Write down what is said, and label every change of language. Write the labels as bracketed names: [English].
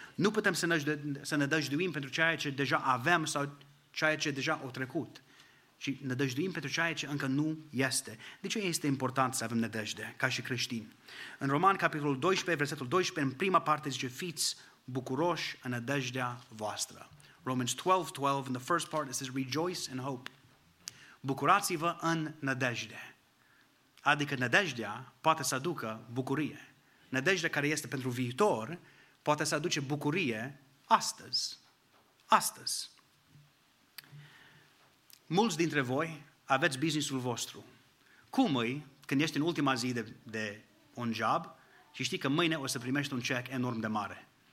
[Romanian] Nu putem să nădăjduim pentru ceea ce deja avem sau ceea ce deja a trecut, ci nădăjduim pentru ceea ce încă nu este. De ce este important să avem nădejde ca și creștini? În Roman, capitolul 12, versetul 12, în prima parte zice, fiți bucuroși în nădejdea voastră. [English] Romans 12:12, in the first part, it says, rejoice in hope. [Romanian] Bucurați-vă în nădejde. Adică nădejdea poate să aducă bucurie. Nădejdea care este pentru viitor poate să aduce bucurie astăzi. Astăzi. Mulți dintre voi aveți business-ul vostru. Cum îi, când ești în ultima zi de un job și știi că mâine o să primești un check enorm de mare?